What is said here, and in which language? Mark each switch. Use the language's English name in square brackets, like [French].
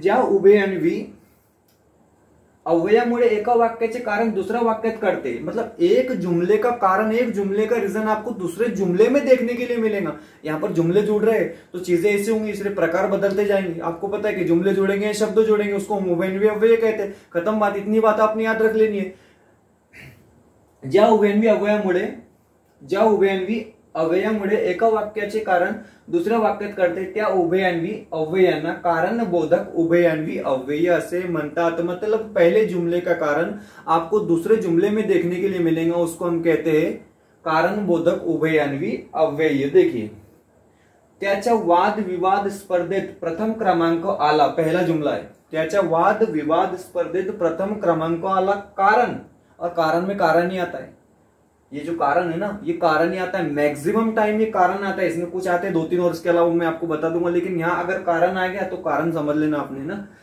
[Marathi] ज्या उभयन्वी अव्ययामुळे एका वाक्याचे कारण दुसऱ्या वाक्यात कळते, [Hindi] मतलब एक जुमले का कारण, एक जुमले का रीजन आपको दूसरे जुमले में देखने के लिए मिलेगा। यहाँ पर जुमले जुड़ रहे तो चीजें ऐसे होंगी, इसलिए प्रकार बदलते जाएंगे। आपको पता है कि जुमले जुड़ेंगे, शब्द जुड़ेंगे, उसको हम उभयन्वी अव्यय कहते हैं, खत्म बात। इतनी बात आपने याद रख लेनी है। [Marathi] ज्या उभयन्वी अव्ययामुळे, ज्या उभयन्वी अव्ययामुळे एका वाक्याचे कारण दुसऱ्या वाक्यात कळते, त्या उभयन्वी अव्ययांना कारण बोधक उभयन्वी अव्यय असे म्हणतात। [Hindi] मतलब पहले जुमले का कारण आपको दूसरे जुमले में देखने के लिए मिलेगा, उसको हम कहते हैं कारण बोधक उभयन्वी अव्यय। देखिए [Marathi] त्याच्या वाद विवाद स्पर्धेत प्रथम क्रमांक आला, [Hindi] पहला जुमला है, त्याच्या वाद विवाद स्पर्धेत प्रथम क्रमांक आला कारण, और कारण में कारण ही आता है, ये जो कारण है ना ये कारण ही आता है, मैक्सिमम टाइम ये कारण आता है, इसमें कुछ आते हैं 2-3 और इसके अलावा मैं आपको बता दूंगा, लेकिन यहाँ अगर कारण आ गया तो कारण समझ लेना आपने ना।